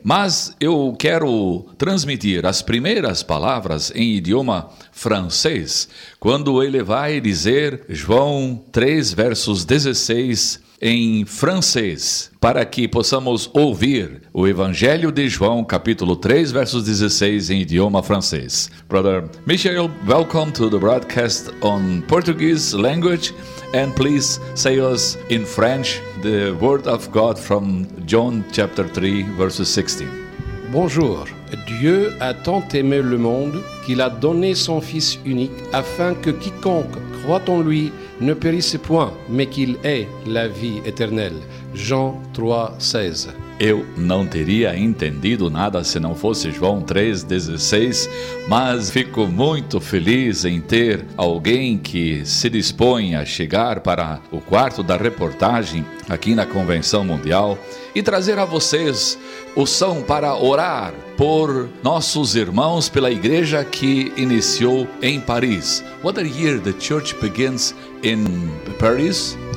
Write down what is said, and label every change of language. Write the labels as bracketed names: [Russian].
[Portuguese] Mas eu quero transmitir as primeiras palavras em idioma francês, quando ele vai dizer João 3, versos 16 em francês, para que possamos ouvir o Evangelho de João, capítulo 3, versos 16, em idioma francês. [English] Brother Michael, welcome to the broadcast on Portuguese language, and please say us in French the word of God from John chapter 3, verses 16. [French] Bonjour, Dieu a tant aimé le monde qu'il a donné son Fils unique afin que quiconque croit en lui ne périsse point, mais qu'il ait la vie éternelle. Jean 3,16. [Portuguese] Eu não teria entendido nada se não fosse João 3,16, mas fico muito feliz em ter alguém que se dispõe a chegar para o quarto da reportagem aqui na Convenção Mundial e trazer a vocês o som para orar por nossos irmãos, pela igreja que iniciou em Paris. [English] What a year the church begins in Paris?